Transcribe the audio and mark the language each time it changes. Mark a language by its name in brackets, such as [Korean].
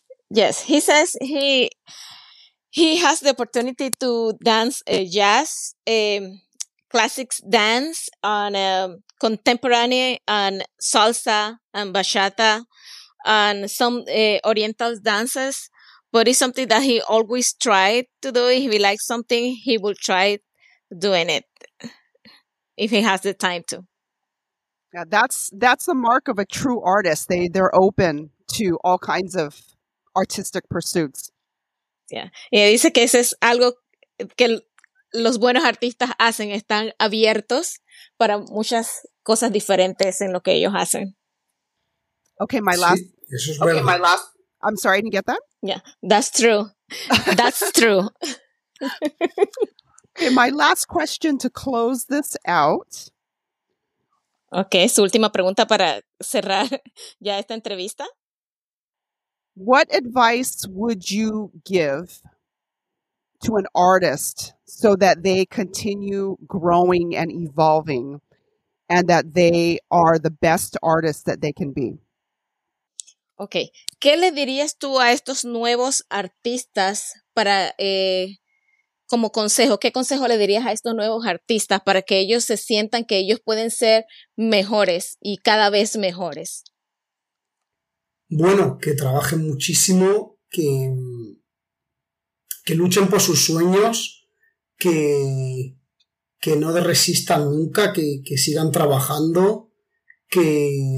[English] Yes, he says he has the opportunity to dance jazz, classics dance, on contemporary and salsa and bachata and some oriental dances, but it's something that he always tried to do. If he likes something, he will try doing it if he has the time to. Yeah, that's the mark of a true artist. They're open to all kinds of artistic pursuits. [Spanish] Yeah. Y dice que eso es algo que los buenos artistas hacen, están abiertos para muchas cosas diferentes en lo que ellos hacen. [English] Okay, my last. [Spanish] Sí, eso es okay, bueno. [English] My last. I'm sorry, I didn't get that. Yeah, that's true. That's true. Okay, my last question to close this out. [Spanish] Okay, su última pregunta para cerrar ya esta entrevista. [English] What advice would you give to an artist so that they continue growing and evolving and that they are the best artist that they can be? Okay. [Spanish] ¿Qué le dirías tú a estos nuevos artistas para, como consejo? ¿Qué consejo le dirías a estos nuevos artistas para que ellos se sientan que ellos pueden ser mejores y cada vez mejores? Bueno, que trabajen muchísimo, que luchen por sus sueños, que no desistan nunca, que sigan trabajando, que